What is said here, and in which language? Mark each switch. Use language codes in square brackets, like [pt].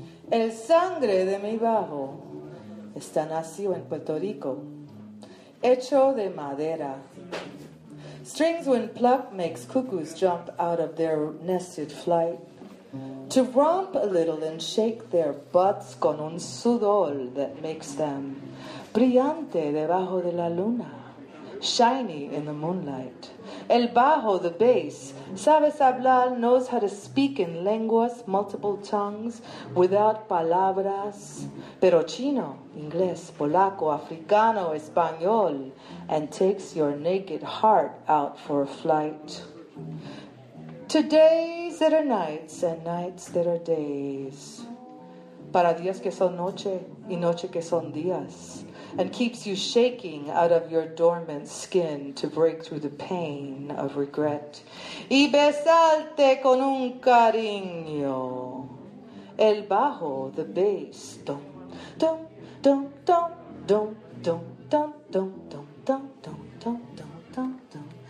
[es] El sangre de mi bajo está nacido en Puerto Rico, hecho de madera. [en] Strings when plucked makes cuckoos jump out of their nested flight to romp a little and shake their butts [es] con un sudor [en] that makes them [es] brillante debajo de la luna, [en] shiny in the moonlight. [es] El bajo, [en] the bass, [es] sabes hablar, [en] knows how to speak in lenguas, multiple tongues, without palabras, [es] pero chino, inglés, polaco, africano, español, [en] and takes your naked heart out for a flight. To days that are nights, and nights that are days. [es] Para días que son noche, y noche que son días. [en] And keeps you shaking out of your dormant skin to break through the pain of regret. [es] Y besarte con un cariño. El bajo, [en] the bass. Dum, dum, dum, dum, dum, dum, dum, dum, dum, dum, dum, dum, dum, dum, dum.